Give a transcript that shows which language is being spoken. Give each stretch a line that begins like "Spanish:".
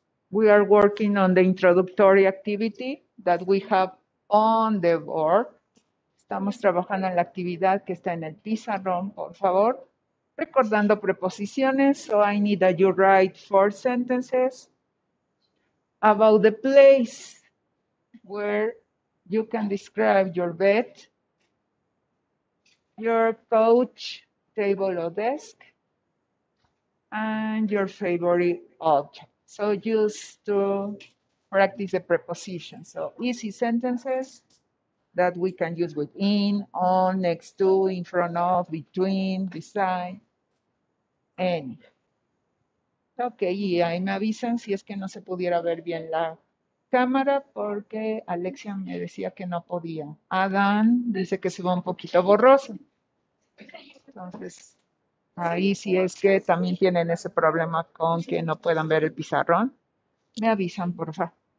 English: We are working on the introductory activity that we have on the board.
Spanish: Estamos trabajando en la actividad que está en el pizarrón, por favor. Recordando preposiciones,
English: so I need that you write four sentences about the place where you can describe your bed, your couch, table or desk, and your favorite object. So use to practice the prepositions. So easy sentences that we can use with in, on, next to, in front of, between, beside, any.
Spanish: Okay, y ahí me avisan si es que no se pudiera ver bien la cámara porque Alexia me decía que no podía. Adán dice que se ve un poquito borroso. Entonces, ahí si es que también tienen ese problema con que no puedan ver el pizarrón, me avisan, por favor.